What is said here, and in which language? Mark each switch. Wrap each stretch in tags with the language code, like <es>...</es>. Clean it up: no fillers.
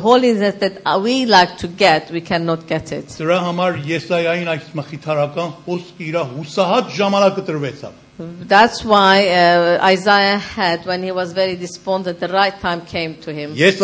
<en>holiness that we like to get, we cannot get it.</en> <hy>Սրա համար Եսայային այս մխիթարական խոսքը իր հուսահատ ժամանակը տրվեցավ.</hy> <en>That's why Isaiah had, when he was very despondent, the right time came to him.</en>